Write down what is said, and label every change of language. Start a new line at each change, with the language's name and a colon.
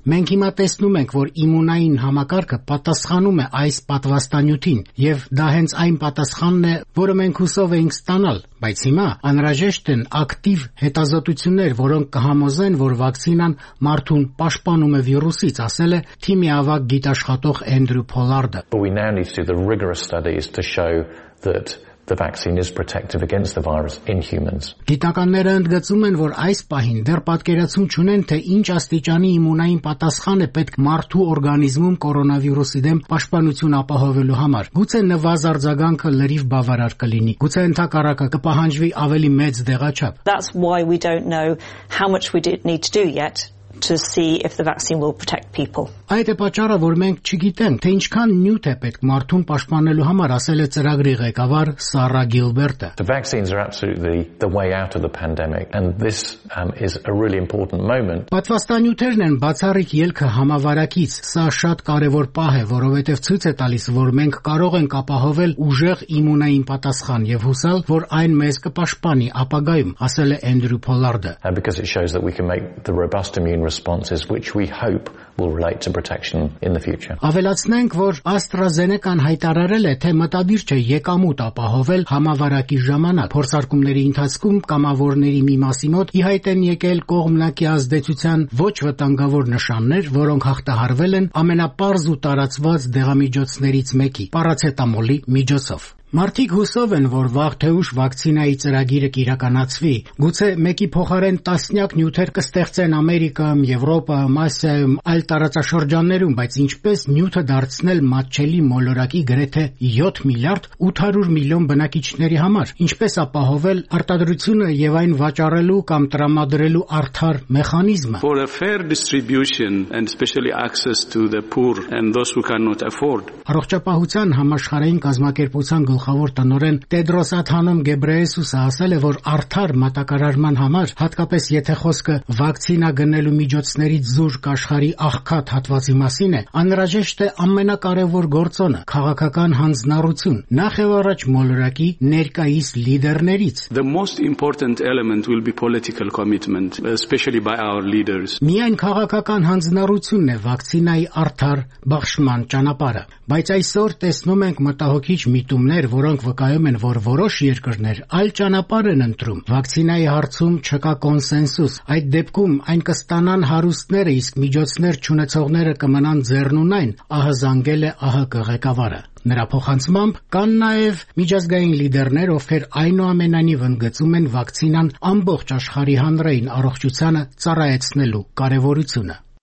Armenian: Մենք հիմա տեսնում ենք, որ իմունային համակարգը պատասխանում է այս պատվաստանյութին, և դա հենց այն պատասխանն է, որը մենք հուսով էինք ստանալ, բայց հիմա անհրաժեշտ են ակտիվ հետազոտություններ, որոնք կհամոզեն, որ վակցինան մարդուն պաշտպանում է վիրուսից, ասել է թիմի ավագ գիտաշխատող Էնդրու Փոլարդը.
English: But we now need to do the rigorous studies to show that the vaccine is protective against the virus in humans.
Armenian: Գիտնականները ընդգծում են, որ այս պահին դեռ պատկերացում չունեն, թե ինչ աստիճանի իմունային պատասխան է պետք մարդու օրգանիզմում կորոնավիրուսի դեմ պաշտպանություն ապահովելու համար։ Գուցե նվազ արձագանքը լրիվ բավարար կլինի, գուցե ենթակառակը կպահանջվի ավելի մեծ դեղաչափ։
English: That's why we don't know how much we need to do yet. To see if the vaccine will protect people.
Armenian: Այդ է պատճառը, որ մենք չգիտենք, թե ինչքան նյութ է պետք մարդուն պաշտպանելու համար, ասել է ծրագրի ղեկավար Սառա Գիլբերտը.
English: The vaccines are absolutely the way out of the pandemic and this is a really important moment.
Armenian: Պատվաստանյութերն են բացառիկ ելքը համավարակից, սա շատ կարևոր պահ է, որովհետև ցույց է տալիս, որ մենք կարող ենք ապահովել ուժեղ իմունային պատասխան եւ հուսալ, որ այն մեզ կպաշտպանի ապագայում, ասել է Էնդրու Փոլարդը.
English: Because it shows that we can make the robust immune responses which we hope will relate to protection in the future.
Armenian: Ավելացնենք, որ AstraZeneca-ն հայտարարել է, թե մտադիր չէ եկամուտ ապահովել համավարակի ժամանակ։ Փորձարկումների ընթացքում կամավորների մի մասի մոտ ի հայտ են եկել կողմնակի ազդեցության ոչ վտանգավոր նշաններ, որոնք հաղթահարվել են ամենապարզ ու տարածված դեղամիջոցներից մեկի՝ պարացետամոլի միջոցով։ Մարդիկ հուսով են, որ վաղ թե ուշ վակցինայի ծրագիրը կիրականացվի, գուցե մեկի փոխարեն տասնյակ նյութեր կստեղծեն Ամերիկայում, Եվրոպայում, Ասիայում, այլ տարածաշրջաններում, բայց ինչպես նյութը դարձնել մատչելի մոլորակի գրեթե 7 միլիարդ 800 միլիոն բնակիչների համար, ինչպես ապահովել արտադրությունը եւ այն վաճառելու կամ տրամադրելու արդար մեխանիզմը.
English: For a fair distribution and especially access to the poor and those who cannot afford.
Armenian: Առողջապահության համաշխարհային կազմակերպության գլխավոր տնօրեն Տեդրոս Աթանոմ Գեբրեյեսուսը ասել է, որ արդար մատակարարման համար, հատկապես եթե խոսքը վակցինա գնելու միջոցների զուրկ աշխարհի աղքատ հատվածի մասին է, անհրաժեշտ է ամենակարևոր գործոնը՝ քաղաքական հանձնառություն, նախ եւ առաջ մոլորակի ներկայիս լիդերներից։
English: The most important element will be political commitment, especially by our leaders.
Armenian: Միայն քաղաքական հանձնառությունն է վակցինայի արդար բախշման ճանապարհը, բայց այսօր տեսնում ենք մտահոգիչ միտումներ, որոնք վկայում են, որ որոշ երկրներ այլ ճանապարհ են ընտրում։ Վակցինայի հարցում չկա կոնսենսուս։ Այդ դեպքում այն կստանան հարուստները, իսկ միջոցներ չունեցողները կմնան ձեռնունայն, ահազանգել է ԱՀԿ ղեկավարը։ Նրա փոխանցմամբ կան նաև միջազգային լիդերներ, ովքեր այնուամենայնիվ ընդգծում են վակցինան ամբողջ աշխարհի հանրային առողջությանը ծառայեցնելու կարևորությունը։